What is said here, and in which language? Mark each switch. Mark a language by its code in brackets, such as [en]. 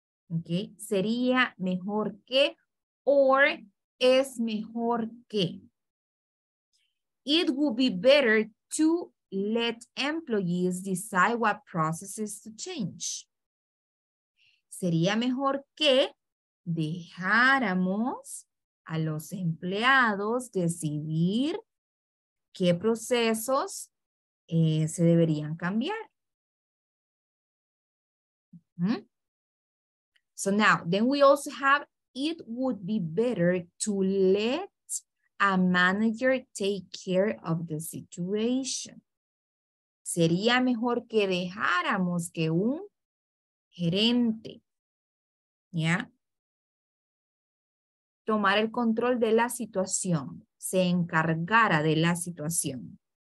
[es] Okay, sería mejor que or es mejor que. [en] It would be better to let employees decide what processes to change. [es] Sería mejor que dejáramos a los empleados decidir qué procesos se deberían cambiar. Mm-hmm. [en] So now, then we also have, it would be better to let a manager take care of the situation. [es] Sería mejor que dejáramos que un gerente, yeah, tomar el control de la situación, se encargara de la situación.